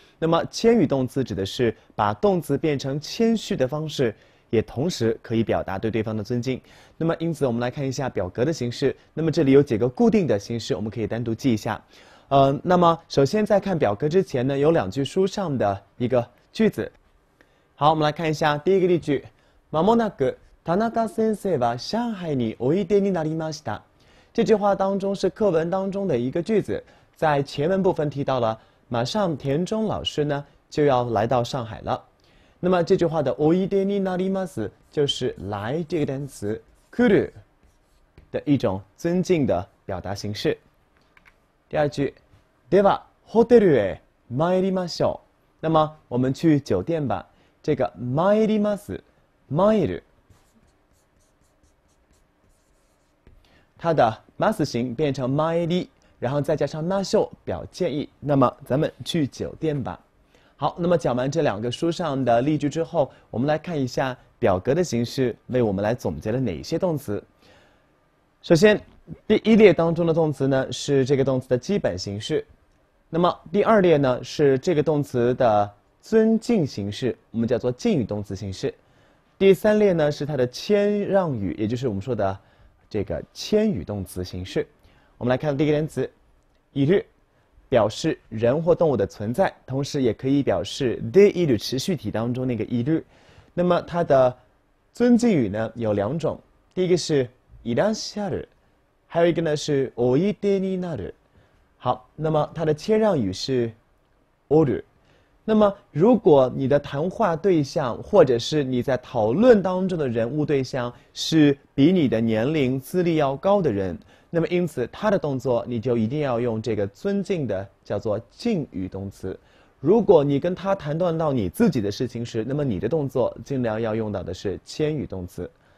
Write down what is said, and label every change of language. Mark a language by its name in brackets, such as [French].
[Chinese] 那么谦语动词指的是把动词变成谦虚的方式，也同时可以表达对对方的尊敬。那么因此我们来看一下表格的形式。那么这里有几个固定的形式，我们可以单独记一下。那么首先在看表格之前呢，有两句书上的一个句子。好，我们来看一下第一个例句。 [Japanese] まもなく田中先生は上海においでになりました。 [Chinese] 这句话当中是课文当中的一个句子，在前文部分提到了马上田中老师呢就要来到上海了。那么这句话的おいでになります就是来这个单词来る的一种尊敬的表达形式。第二句， [Japanese] ではホテルへ参りましょう。 [Chinese] 那么我们去酒店吧。这个参ります、 [Japanese] 参る， [Chinese] 它的ます形变成参り，然后再加上ましょう表建议。那么咱们去酒店吧。好，那么讲完这两个书上的例句之后，我们来看一下表格的形式为我们来总结了哪些动词。首先，第一列当中的动词呢是这个动词的基本形式，那么第二列呢是这个动词的尊敬形式，我们叫做敬语动词形式，第三列呢是它的谦让语，也就是我们说的这个谦语动词形式。我们来看第一个单词，いる，表示人或动物的存在，同时也可以表示でいる持续体当中那个いる。那么它的尊敬语呢有两种，第一个是いらっしゃる，还有一个呢是おいでになる。好，那么它的谦让语是おる。那么如果你的谈话对象或者是你在讨论当中的人物对象是比你的年龄资历要高的人，那么因此他的动作你就一定要用这个尊敬的叫做敬语动词。如果你跟他谈论到你自己的事情时，那么你的动作尽量要用到的是谦语动词。